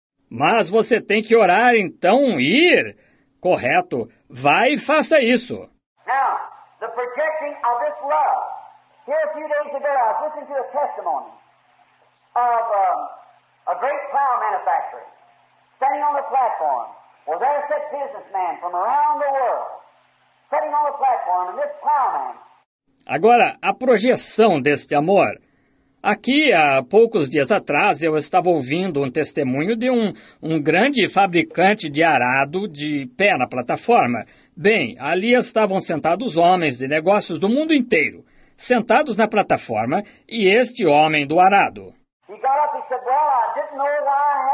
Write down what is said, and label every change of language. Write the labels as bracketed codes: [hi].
[pt] Mas você tem que orar, então ir. Correto. Vai e faça isso. [en] Now, the projecting of this love. Here a few days ago, I was listening to a testimony of a great plow manufacturer. Standing on the platform, well, there sat businessman from around the world, standing on the platform, and this plowman. [pt] Agora, a projeção deste amor. Aqui, há poucos dias atrás, eu estava ouvindo um testemunho de um grande fabricante de arado de pé na plataforma. Bem, ali estavam sentados homens de negócios do mundo inteiro, sentados na plataforma, e este homem do arado. [en] He got up and said, well, I didn't know why.